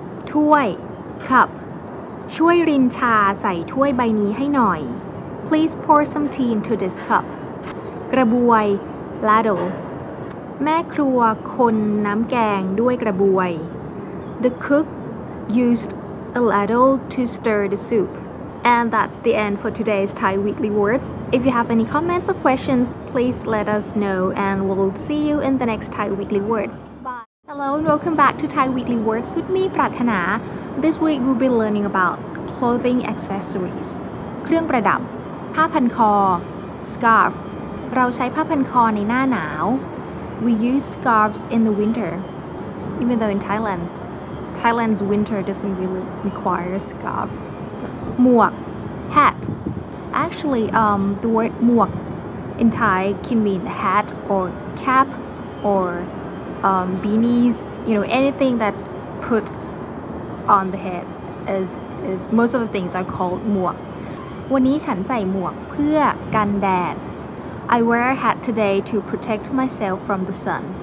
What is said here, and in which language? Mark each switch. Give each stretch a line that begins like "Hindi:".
Thai: ถ้วย cup. ช่วยรินชาใส่ถ้วยใบนี้ให้หน่อย
English: Please pour some tea into this cup. กระบวย ladle.
Thai: แม่ครัวคนน้ำแกงด้วยกระบวย
English: The cook used a ladle to stir the soup. And that's the end for today's Thai Weekly Words. If you have any comments or questions, please let us know and we'll see you in the next Thai Weekly Words. Bye. Hello and welcome back to Thai Weekly Words with me, Prathana. This week we'll be learning about clothing accessories.
Thai: เครื่องประดับ ผ้าพันคอ scarf. เราใช้ผ้าพันคอในหน้าหนาว
English: We use scarves in the winter. Even though in Thailand, Thailand's winter doesn't really require a scarf. หมวก hat. Actually, the word หมวก in Thai can mean hat or cap orbeanies, you know, anything that's put on the head is most of the things are called หมวก
Thai: วันนี้ฉันใส่หมวกเพื่อกันแดด
English: I wear a hat today to protect myself from the sun.